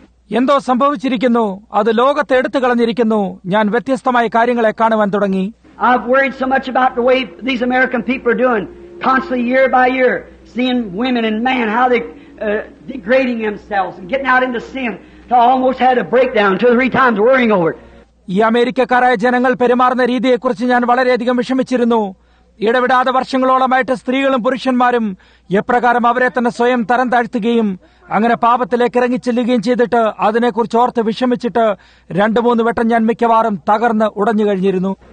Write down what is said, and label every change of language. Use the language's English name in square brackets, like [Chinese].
[Malayalam] എന്തോ സംഭവിച്ചിരിക്കുന്നു, അത് ലോകത്തെ എടുത്തു കളഞ്ഞിരിക്കുന്നു. ഞാൻ വ്യത്യസ്തമായ കാര്യങ്ങളെ കാണുവാൻ തുടങ്ങി. [English] I've worried so much about the way these American people are doing, constantly year by year, seeing women and men, how they're degrading themselves and getting out into sin. I almost had a breakdown two or three times worrying over it. [Malayalam] ഈ അമേരിക്കക്കാരായ ജനങ്ങൾ പെരുമാറുന്ന രീതിയെക്കുറിച്ച് ഞാൻ വളരെയധികം വിഷമിച്ചിരുന്നു. ഇടവിടാതെ വർഷങ്ങളോളമായിട്ട് സ്ത്രീകളും പുരുഷന്മാരും എപ്രകാരം അവരെ തന്നെ സ്വയം തരം താഴ്ത്തുകയും അങ്ങനെ പാപത്തിലേക്ക് ഇറങ്ങിച്ചെല്ലുകയും ചെയ്തിട്ട് അതിനെക്കുറിച്ച് ഓർത്ത് വിഷമിച്ചിട്ട് രണ്ടു മൂന്ന് വട്ടം ഞാൻ മിക്കവാറും തകർന്ന് ഉടഞ്ഞു കഴിഞ്ഞിരുന്നു.